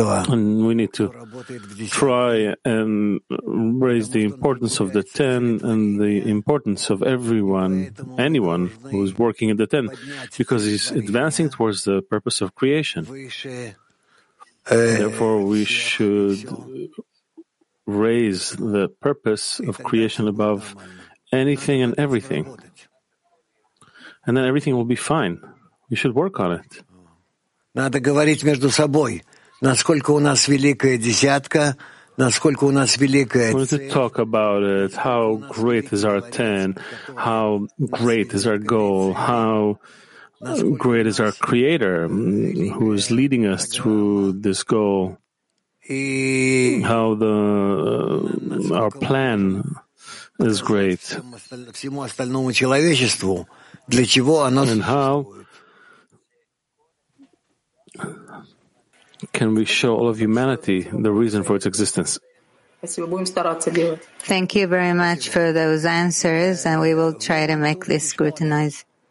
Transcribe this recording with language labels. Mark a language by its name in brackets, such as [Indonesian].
[English] And we need to try and raise the importance of the 10 and the importance of everyone, anyone who is working in the 10, because he's advancing towards the purpose of creation. Therefore, we should raise the purpose of creation above anything and everything. And then everything will be fine. We should work on it. [Russian] Надо говорить между собой, насколько у нас великая десятка, насколько у нас великая. [English] We need to talk about it. How great is our ten? How great is our goal? How great is our Creator, who is leading us to this goal? How the our plan is great. [Russian] Всему остальному человечеству для чего оно? [English] And how can we show all of humanity the reason for its existence? Thank you very much for those answers, and we will try to make this scrutinize.